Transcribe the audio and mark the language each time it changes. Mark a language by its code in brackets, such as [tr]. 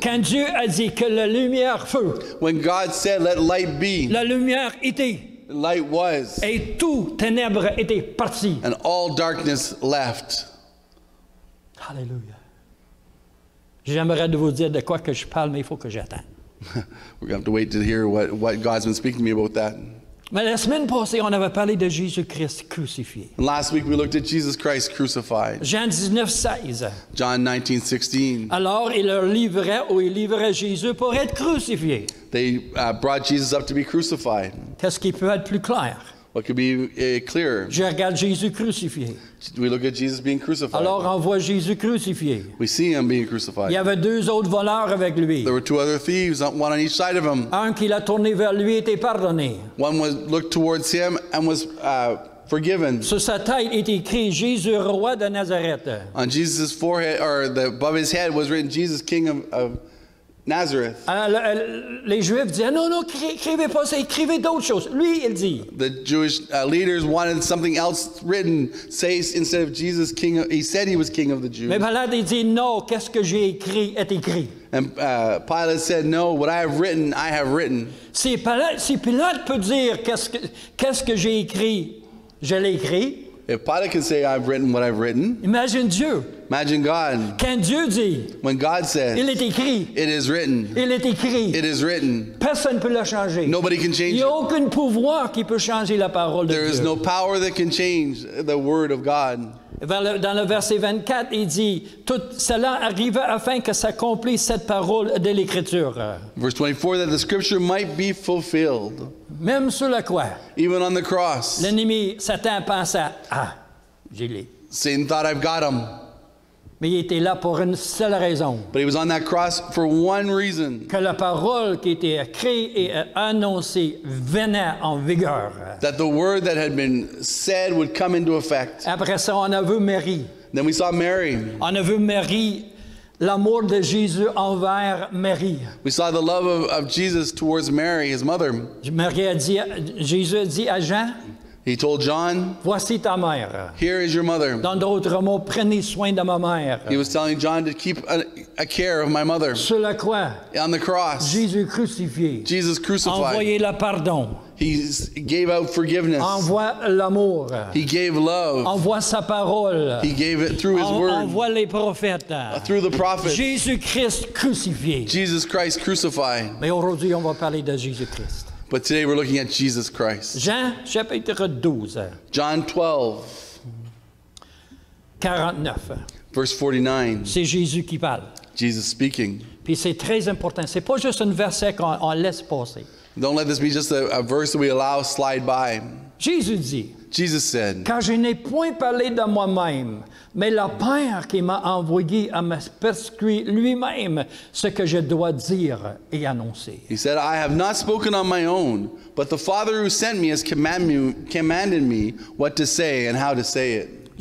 [fr] Quand Dieu a dit que la lumière fut. [en] When God said, let light be. [fr] La lumière était. [en] Light was. [fr] Et tout ténèbres était parti. [en] And all darkness left. Hallelujah. [fr] J'aimerais de vous dire de quoi que je parle, mais il faut que j'attende. [en] We're going to have to wait to hear what God's been speaking to me about that. [fr] Mais la semaine passée, on avait parlé de Jésus-Christ crucifié. [en] And last week, we looked at Jesus Christ crucified. [fr] Jean 19:16. [en] John 19:16. [fr] Alors, ils livraient Jésus pour être crucifié. [en] They brought Jesus up to be crucified. [fr] Qu'est-ce qui peut être plus clair? [en] What could be clearer? [fr] Je regarde Jésus crucifié. [en] We look at Jesus being crucified. [fr] Alors on voit Jésus crucifié. [en] We see him being crucified. [fr] Il y avait deux autres voleurs avec lui. [en] There were two other thieves, one on each side of him. [fr] Un qui l'a tourné vers lui était pardonné. [en] One was looked towards him and was forgiven. [fr] Sur sa tête est écrit Jésus roi de Nazareth. [en] On Jesus' forehead or the above his head was written Jesus King of Nazareth. [fr] Les Juifs disaient non, écrivez pas ça, écrivez d'autres choses. Lui, il dit. [en] The Jewish leaders wanted something else written. Say instead of Jesus King, he said he was King of the Jews. [fr] Mais Pilate dit non, qu'est-ce que j'ai écrit est écrit. [en] And Pilate said no, what I have written, I have written. [fr] Si Pilate peut dire qu'est-ce que j'ai écrit, je l'ai écrit. [en] If Pilate can say, I've written what I've written, [fr] imagine Dieu. [en] Imagine God. [fr] Can Dieu dit, [en] when God says, [fr] il est écrit, [en] it is written, [fr] il est écrit, [en] it is written, [fr] personne peut le changer. [en] Nobody can change [fr] il [en] it. [fr] Aucun pouvoir qui peut changer la parole [en] there [fr] de [en] is [fr] Dieu. [en] No power that can change the word of God. [fr] Dans le verset 24, il dit, tout cela arriva afin que s'accomplisse cette parole de l'Écriture. [en] Verse 24, that the scripture might be fulfilled. [fr] Même sur la croix. [en] Even on the cross. [fr] L'ennemi, Satan, pensa, ah, j'ai l'ai. [en] Satan thought, I've got him. [fr] Mais il était là pour une seule raison. [en] But he was on that cross for one reason. [fr] Que la parole qui était écrite et annoncée venait en vigueur. [en] That the word that had been said would come into effect. [fr] Après ça, on a vu Marie. [en] Then we saw Mary. [fr] On a vu Marie, l'amour de Jésus envers Marie. [en] We saw the love of Jesus towards Mary, his mother. [fr] Marie a dit, Jésus a dit à Jean. [en] He told John, [fr] voici ta mère. [en] Here is your mother. [fr] Dans d'autres mots, prenez soin de ma mère. [en] He was telling John to keep a care of my mother. [fr] Sur la croix. [en] On the cross. [fr] Jésus crucifié. [en] Jesus crucified. [fr] Envoyez le pardon. [en] He gave out forgiveness. [fr] Envoie l'amour. [en] He gave love. [fr] Envoie sa parole. [en] He gave it through his word. [fr] Envoie les prophètes. [en] Through the prophets. [fr] Jésus Christ crucifié. [en] Jesus Christ crucified. [fr] Mais aujourd'hui, on va parler de Jésus Christ. [en] But today we're looking at Jesus Christ. [fr] Jean chapitre 12. [en] John 12. [fr] 49. [en] Verse 49. [fr] C'est Jésus qui parle. [en] Jesus speaking. [fr] Puis c'est très important. C'est pas juste un verset qu'on laisse passer. [en] Don't let this be just a verse that we allow slide by. [fr] Jésus dit. [en] Jesus said. [fr] Car je n'ai point parlé de moi-même, mais le Père qui m'a envoyé a prescrit lui-même ce que je dois dire et annoncer. [en] He said, I have not spoken on my own, but the Father who sent me has commanded me what to say and how to say it.